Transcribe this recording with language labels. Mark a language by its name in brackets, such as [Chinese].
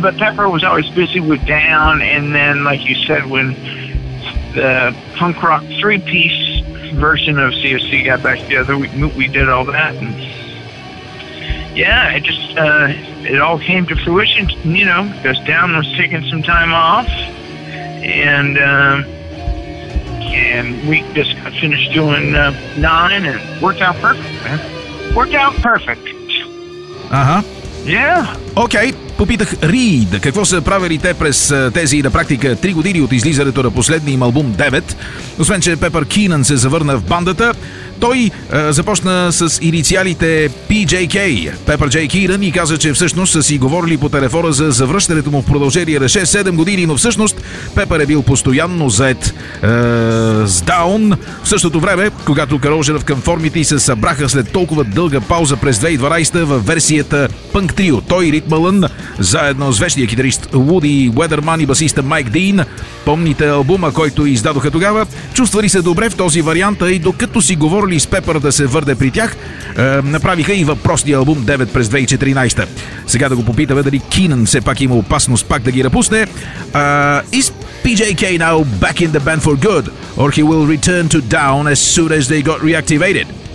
[English] But Pepper was always busy with Down, and then, like you said, when the punk rock three-piece version of COC got back together, we did all that, and yeah, it just it all came to fruition, you know, because Down was taking some time off, and we just got finished doing 9, and worked out perfect, man. Worked out perfect. Uh-huh. Yeah. Okay. [Bulgarian] Попитах Рийд какво са правили те през тези на практика 3 години от излизането на последния им албум 9. Освен че Пепър Кинън се завърна в бандата, той започна с инициалите PJK, Пепър Джей Кинън, и каза, че всъщност са си говорили по телефона за завръщането му в продължение на 6-7 години, но всъщност Пепър е бил постоянно зает с Down. В същото време, когато Corrosion of Conformity се събраха след толкова дълга пауза през 2012 в версията Punk Trio, той Рид Мълън, заедно с вечния китарист Woody Weatherman и басиста Майк Дин. Помните албума, който издадоха тогава? Чувствали се добре в този вариант, и докато си говорили с Пепър да се върне при тях, направиха и въпросния албум 9 през 2014. Сега да го попитаме дали Кинън все пак има опасност пак да ги напусне. [English] Is PJK now back in the band for good, or he will return to Down as soon as they got reactivated?